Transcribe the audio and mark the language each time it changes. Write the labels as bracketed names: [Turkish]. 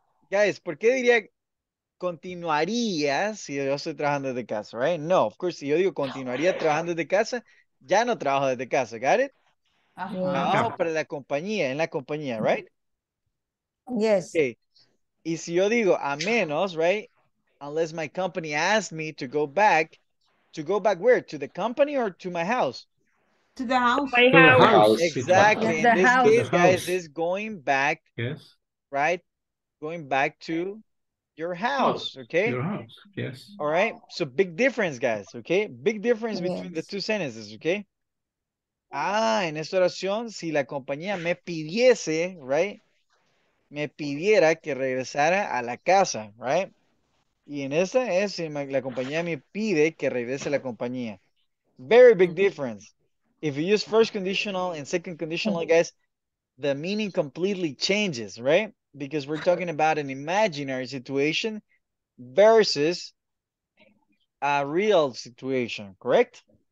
[Spanish] Guys, ¿por qué diría continuaría si yo estoy trabajando de casa, right? [English] No, of course, [Spanish] si yo digo continuaría trabajando de casa, ya no trabajo desde casa, [English] got it? Uh-huh. [Spanish] Trabajo para la compañía, en la compañía, right? [English] Yes. [Spanish] Okay. Y si yo digo, a menos, right? [English] Unless my company asked me to go back where? To the company or to my house? To the house. To the house. Exactly. In this case, guys, is going back yes. right? Going back to your house, okay? Your house, yes. All right, so big difference, guys, okay? Big difference between the two sentences, okay? [Spanish] Ah, en esta oración, si la compañía me pidiese, right? Me pidiera que regresara a la casa, right? Y en esta es si la compañía me pide que regrese a la compañía. [English] Very big difference. If you use first conditional and second conditional, guys, the meaning completely changes, right? Because we're talking about an imaginary situation versus a real situation, correct?